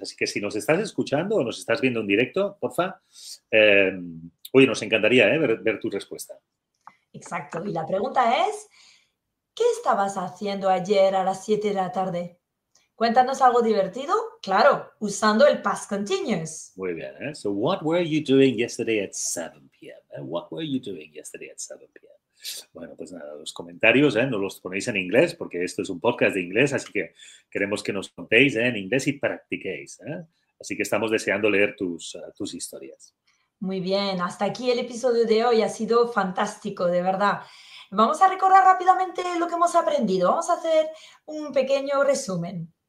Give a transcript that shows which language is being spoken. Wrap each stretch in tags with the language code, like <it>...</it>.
<es>Así que si nos estás escuchando o nos estás viendo en directo, porfa, oye, nos encantaría, ¿eh? ver tu respuesta. Exacto. Y la pregunta es, ¿qué estabas haciendo ayer a las 7 de la tarde? Cuéntanos algo divertido. Claro, usando el past continuous. Muy bien. ¿Eh?</es> <en>So, what were you doing yesterday at 7 p.m.? What were you doing yesterday at 7 p.m.?</en> <es>Bueno, pues nada, los comentarios, ¿eh? No los ponéis en inglés porque esto es un podcast de inglés, así que queremos que nos contéis, ¿eh?, en inglés y practiquéis. ¿Eh? Así que estamos deseando leer tus historias. Muy bien, hasta aquí el episodio de hoy. Ha sido fantástico, de verdad. Vamos a recordar rápidamente lo que hemos aprendido. Vamos a hacer un pequeño resumen.</es>